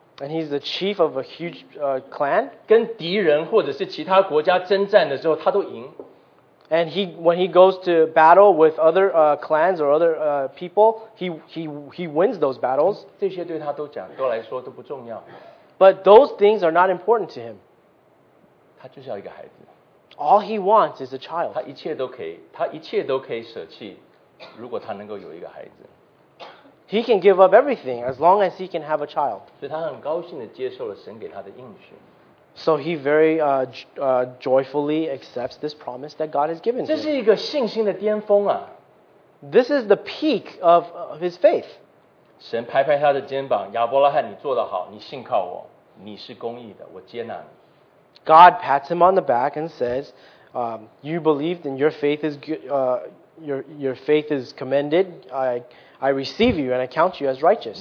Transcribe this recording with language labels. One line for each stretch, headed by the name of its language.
English: And he's the chief of a huge clan.
Chinese: 跟敌人或者是其他国家征战的时候，他都赢。
English: And when he goes to battle with other clans or other people, he wins those battles.
Chinese: 这些对他都讲，都来说都不重要。
English: But those things are not important to him.
Chinese: 他就是要一个孩子。
English: All he wants is a child.
Chinese: 他一切都可以舍弃, 如果他能够有一个孩子。
English: He can give up everything as long as he can have a child. So he very joyfully accepts this promise that God has given him. This is the peak of his faith.
Chinese: 神拍拍他的肩膀, 亚伯拉罕, 你做得好, 你信靠我, 你是公义的, 我接纳你。
English: God pats him on the back and says, you believed and your faith is your faith is commended. I receive you and I count you as righteous.